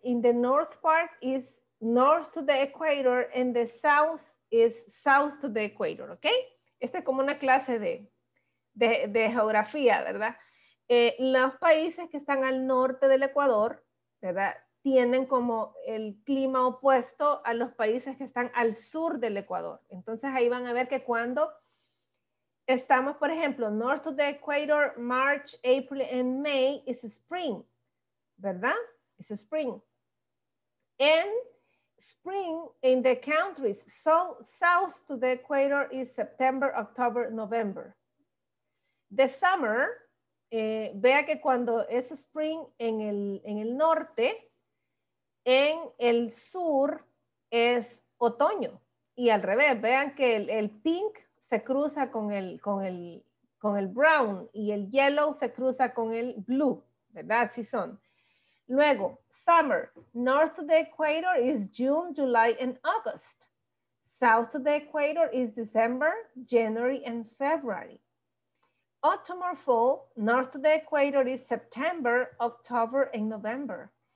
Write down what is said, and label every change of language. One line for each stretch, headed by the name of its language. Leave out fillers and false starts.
English: In the north part is north to the equator, and the south is south to the equator, okay?
Spanish: Esta es como una clase de geografía, ¿verdad? Los países que están al norte del Ecuador, ¿verdad? Tienen como el clima opuesto a los países que están al sur del Ecuador. Entonces ahí van a ver que cuando estamos, por ejemplo,
English: north of the equator, March, April, and May is spring, ¿verdad? It's spring. And spring in the countries, so south to the equator is September, October, November.
Spanish: The summer, vea que cuando es spring en el norte, en el sur es otoño. Y al revés, vean que el pink se cruza con el brown, y el yellow se cruza con el blue, ¿verdad? Así son.
English: Luego, summer, north of the equator is June, July, and August. South of the equator is December, January, and February. Autumn or fall, north of the equator is September, October, and November.